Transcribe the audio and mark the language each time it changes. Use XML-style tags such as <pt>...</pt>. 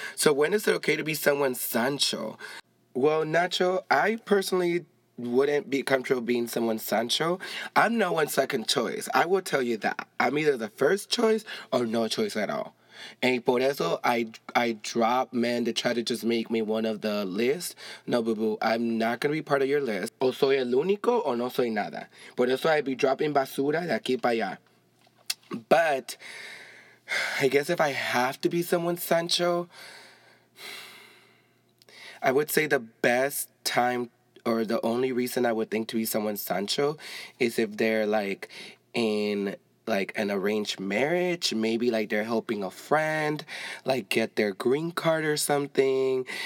<en>So when is it okay to be someone's Sancho? Well, Nacho, I personally wouldn't be comfortable being someone's Sancho. I'm no one's second choice. I will tell you that. I'm either the first choice or no choice at all. And</en> <es>por eso,</es> <en>I drop men to try to just make me one of the list. No, boo-boo, I'm not going to be part of your list.</en> <es>O soy el único o no soy nada. Por eso,</es> <en>I be dropping</en> <es>basura de aquí para allá.</es> <en>But I guess if I have to be someone Sancho, I would say the best time or the only reason I would think to be someone Sancho is if they're like in like an arranged marriage, maybe like they're helping a friend like get their green card or something.</en>